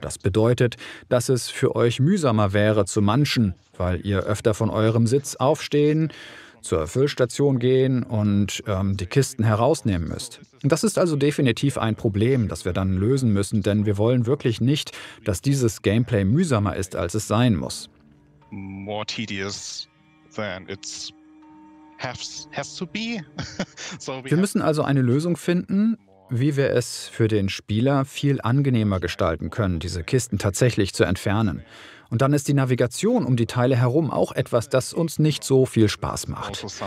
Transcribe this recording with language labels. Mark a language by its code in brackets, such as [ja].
[de] Das bedeutet, dass es für euch mühsamer wäre zu manchen, weil ihr öfter von eurem Sitz aufstehen, zur Füllstation gehen und die Kisten herausnehmen müsst. Das ist also definitiv ein Problem, das wir dann lösen müssen, denn wir wollen wirklich nicht, dass dieses Gameplay mühsamer ist, als es sein muss. [en] More tedious than it's has to be. [de] So wir müssen also eine Lösung finden, wie wir es für den Spieler viel angenehmer gestalten können, diese Kisten tatsächlich zu entfernen. Und dann ist die Navigation um die Teile herum auch etwas, das uns nicht so viel Spaß macht.